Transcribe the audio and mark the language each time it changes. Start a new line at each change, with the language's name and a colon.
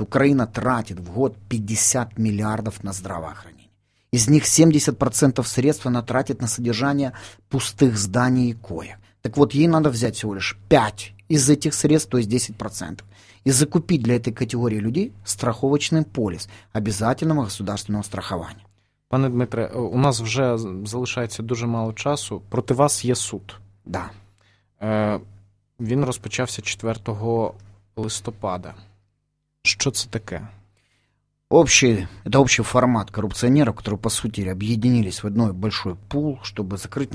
Russian: Украина тратит в год 50 миллиардов на здравоохранение. Из них 70% средств она тратит на содержание пустых зданий и коек. Так вот, ей надо взять всего лишь 5 из этих средств, то есть 10%, и закупить для этой категории людей страховочный полис обязательного государственного страхования.
Ukrainian: Пане Дмитре, у нас вже залишається дуже мало часу. Проти вас є суд.
Russian: Да.
Ukrainian: Він розпочався 4 листопада. Що це таке?
Russian: Это общий формат коррупционеров, которые, по сути, объединились в одной большой пул, чтобы закрыть...